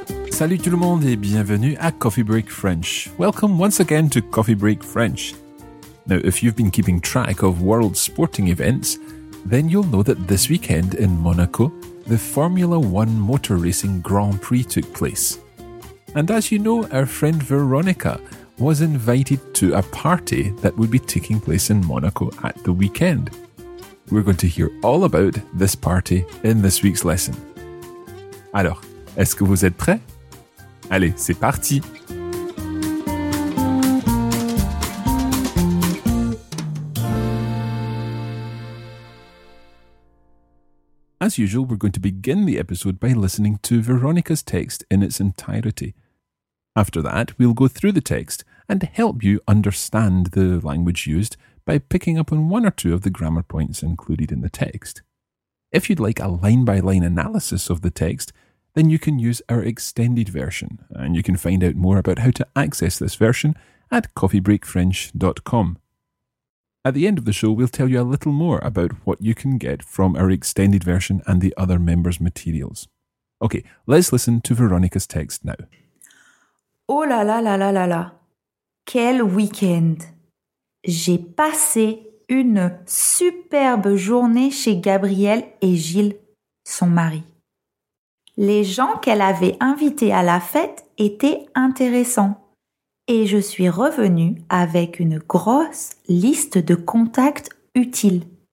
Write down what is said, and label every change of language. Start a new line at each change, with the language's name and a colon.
French: Salut tout le monde et bienvenue à Coffee Break French.
English: Welcome once again to Coffee Break French. Now, if you've been keeping track of world sporting events, then you'll know that this weekend in Monaco, the Formula One Motor Racing Grand Prix took place. And as you know, our friend Veronica was invited to a party that would be taking place in Monaco at the weekend. We're going to hear all about this party in this week's lesson.
French: Alors, est-ce que vous êtes prêts? Allez, c'est parti!
English: As usual, we're going to begin the episode by listening to Veronica's text in its entirety. After that, we'll go through the text and help you understand the language used by picking up on one or two of the grammar points included in the text. If you'd like a line-by-line analysis of the text, then you can use our extended version, and you can find out more about how to access this version at coffeebreakfrench.com. At the end of the show, we'll tell you a little more about what you can get from our extended version and the other members' materials. Okay, let's listen to Veronica's text now.
French: Oh là là là là là là! Quel week-end! J'ai passé une superbe journée chez Gabriel et Gilles, son mari. Les gens qu'elle avait invités à la fête étaient intéressants. Et je suis revenue avec une grosse liste de contacts utiles.